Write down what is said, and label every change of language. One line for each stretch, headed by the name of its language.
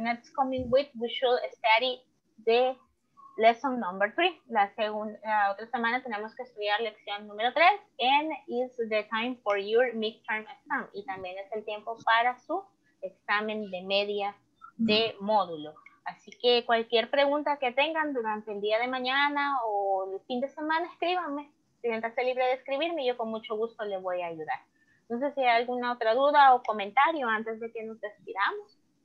English: Next coming week, we should study the lesson number 3.
Spanish: La segunda, otra semana tenemos que estudiar lección número 3.
English: And it's the time for your midterm exam.
Spanish: Y también es el tiempo para su examen de media de módulo. Así que cualquier pregunta que tengan durante el día de mañana o el fin de semana, escríbanme. Siéntase libre de escribirme, yo con mucho gusto le voy a ayudar. No sé si hay alguna otra duda o comentario antes de que nos despidamos.